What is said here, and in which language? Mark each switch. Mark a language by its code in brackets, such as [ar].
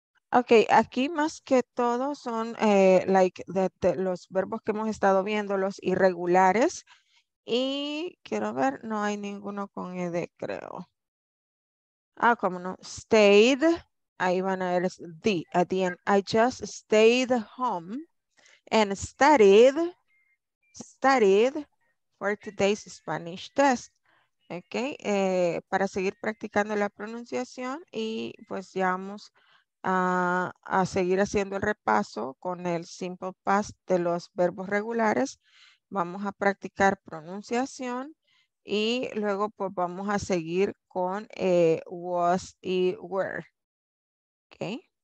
[es] Okay, aquí más que todo son like the los verbos que hemos estado viendo, los irregulares. Y quiero ver, no hay ninguno con ed, creo. Ah, cómo no, stayed. Ahí van a ver [en] the at the end. I just stayed home and studied for today's Spanish test. [es] Okay, para seguir practicando la pronunciación y pues ya vamos a seguir haciendo el repaso con el simple past de los verbos regulares. Vamos a practicar pronunciación y luego pues vamos a seguir con was y were. Okay.